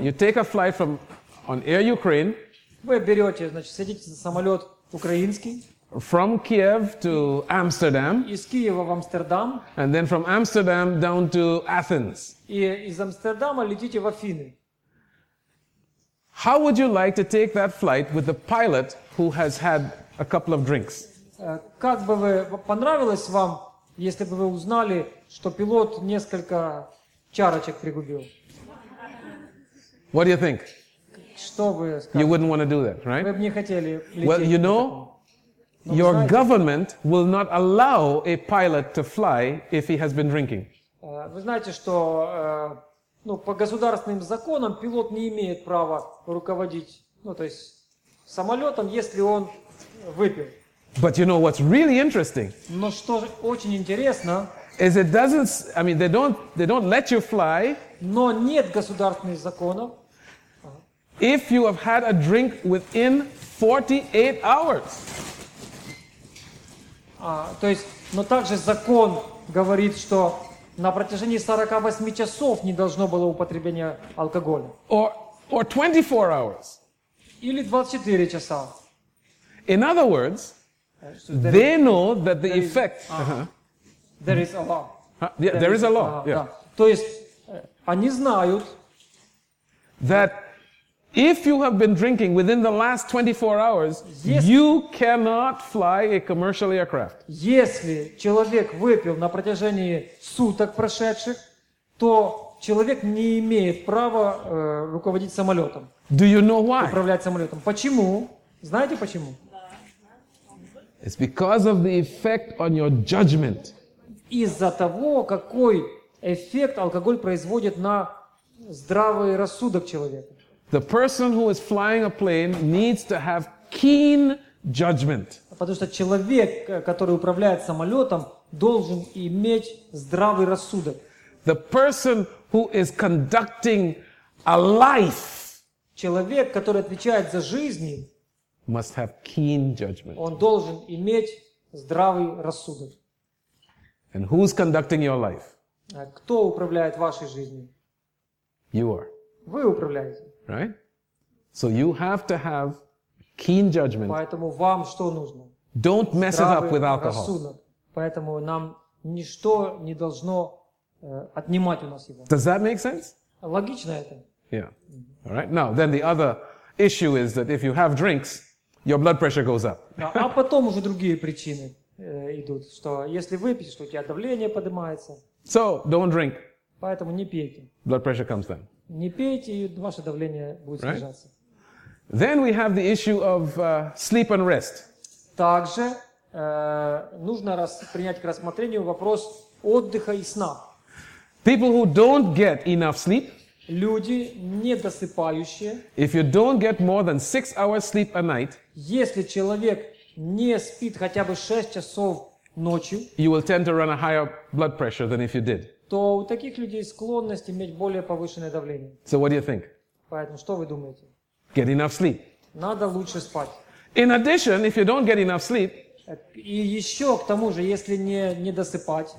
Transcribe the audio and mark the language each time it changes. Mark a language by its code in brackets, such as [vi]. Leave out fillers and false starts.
[en] You take a flight from on Air Ukraine. [ru] Вы берете, значит, садитесь на самолет украинский. [en] From Kiev to Amsterdam. [ru] Из Киева в Амстердам. [en] And then from Amsterdam down to Athens. [ru] И из Амстердама летите в Афины. [en] How would you like to take that flight with the pilot who has had a couple of drinks? [ru] Как бы вы понравилось вам, если бы вы узнали, что пилот несколько чарочек пригубил. [en] What do you think? [ru] Что вы скажете? [en] You wouldn't want to do that, right? [ru] Вы бы не хотели лететь. [en] Well, you know, your government will not allow a pilot to fly if he has been drinking. [ru] Вы знаете, что по государственным законам пилот не имеет права руководить, то есть самолетом, если он выпил. [en] But you know what's really interesting? [ru] Но что очень интересно? [en] Is it doesn't? I mean, they don't let you fly. [ru] Но нет государственных законов. [en] If you have had a drink within 48 hours. [ru] То есть, но также закон говорит, что на протяжении 48 часов не должно было употребления алкоголя. [en] Or 24 hours. [ru] Или 24 часа. [en] In other words, they know that the effect. There is a law. Yeah, there is a law. Yeah. [ru] Да. То есть они знают, [en] that if you have been drinking within the last 24 hours, you cannot fly a commercial aircraft. [ru] Если человек выпил на протяжении суток прошедших, то человек не имеет права руководить самолетом. [en] Do you know why? [ru] Управлять самолетом. Почему? Знаете почему? [en] It's because of the effect on your judgment. [ru] Из-за того, какой эффект алкоголь производит на здравый рассудок человека. [en] The person who is flying a plane needs to have keen judgment. [ru] Потому что человек, который управляет самолетом, должен иметь здравый рассудок. [en] The person who is conducting a life. [ru] Человек, который отвечает за жизни, [en] must have keen judgment. [ru] Он должен иметь здравый рассудок. [en] And who's conducting your life? [ru] Кто управляет вашей жизнью? [en] You are. [ru] Вы управляете. [en] Right? So you have to have keen judgment. [ru] Поэтому вам что нужно? [en] Don't mess [ru] Здравый [en] it up with alcohol. [ru] Рассудок. Поэтому нам ничто не должно отнимать у нас его. [en] Does that make sense? [ru] Логично это. [en] Yeah. All right. Now, then the other issue is that if you have drinks, your blood pressure goes up. [ru] А потом уже другие причины идут, что если выпьешь, что у тебя давление поднимается. [en] So, don't drink. [ru] Поэтому не пейте. [en] Blood pressure comes then. [ru] Не пейте, и ваше давление будет снижаться. [en] Then we have the issue of sleep and rest. [ru] Также нужно принять к рассмотрению вопрос отдыха и сна. [en] People who don't get enough sleep. [ru] Люди недосыпающие. [en] If you don't get more than 6 hours sleep a night. [ru] Если человек не спит хотя бы 6 часов ночью. [en] You will tend to run a higher blood pressure than if you did. [ru] То у таких людей склонность иметь более повышенное давление. [en] So what do you think? [ru] Поэтому что вы думаете? [en] Get enough sleep. [ru] Надо лучше спать. [en] In addition, if you don't get enough sleep, [ru] и еще к тому же, если не досыпать,